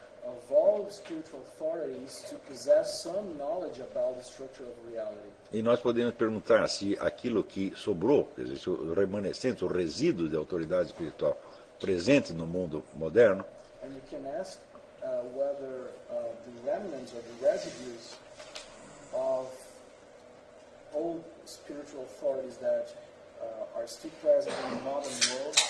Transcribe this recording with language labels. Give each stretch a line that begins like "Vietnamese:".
English: of all the spiritual authorities to possess some knowledge about the structure of reality.
Portuguese: E nós podemos perguntar se aquilo que sobrou, quer dizer, o remanescente, o resíduo de autoridade espiritual presente no mundo moderno,
English: and you can ask whether the remnants or the residues of old spiritual authorities that are still present in the modern world